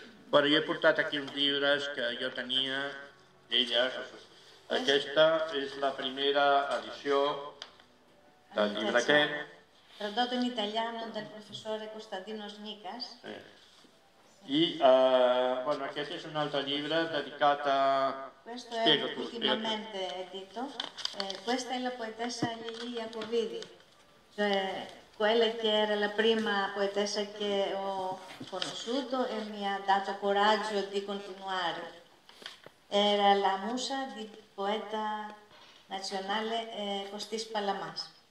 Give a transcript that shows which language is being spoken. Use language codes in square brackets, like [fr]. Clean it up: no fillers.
[ca] Bueno, jo he portat aquí uns llibres que jo tenia d'ella. Aquesta és la primera edició del llibre aquest. [it] Tradotto in italiano del professore Costantino Snikas. [ca] I bueno, aquest és un altre llibre dedicat a... [it] Questo è ultimamente edito. Questa è la poetessa Lilia Corridi, cioè quella che era la prima poetessa che ho conosciuto e mi ha dato coraggio di continuare. Era la musa di poeta nazionale Costis Palamas.